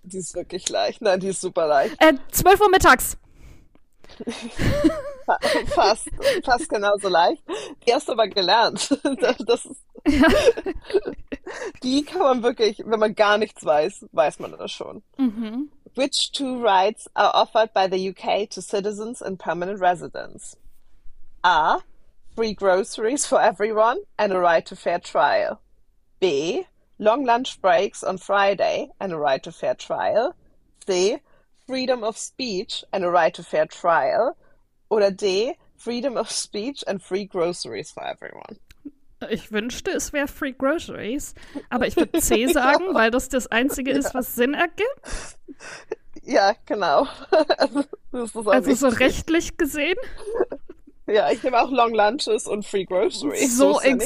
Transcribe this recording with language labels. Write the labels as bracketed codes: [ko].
[de] Die ist wirklich leicht. Nein, die ist super leicht. 12 Uhr mittags. Fast, fast genauso leicht. Die hast du aber gelernt. Das ist, die kann man wirklich, wenn man gar nichts weiß, weiß man das schon. [en] Which two rights are offered by the UK to citizens and permanent residents? A. Free groceries for everyone and a right to fair trial. B. Long lunch breaks on Friday and a right to fair trial. C. Freedom of speech and a right to fair trial. Oder D. Freedom of speech and free groceries for everyone. [de] Ich wünschte, es wäre Free Groceries, Ja. aber ich würde C sagen, weil das das Einzige ist, was Sinn ergibt. Ja, genau. Also, das ist auch Also so richtig. rechtlich gesehen. Ja, ich nehme auch Long Lunches und Free Groceries, so So ist ja nicht.